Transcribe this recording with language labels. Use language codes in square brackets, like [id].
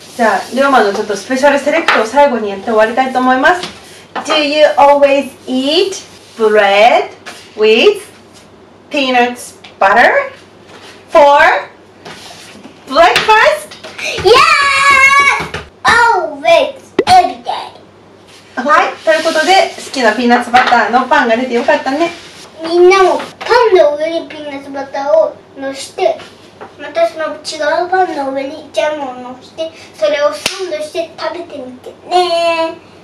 [ja] じゃあ、リョーマのちょっとスペシャルセレクトを最後にやって終わりたいと思います。 [en] Do you always eat bread with peanuts butter for breakfast? Yeah! Always! [ja] はい、ということで好きなピーナッツバターのパンが出てよかったね。みんなもパンの上にピーナッツバターをのして、またその違うパンの上にジャムをのして、それをサンドして食べてみてね。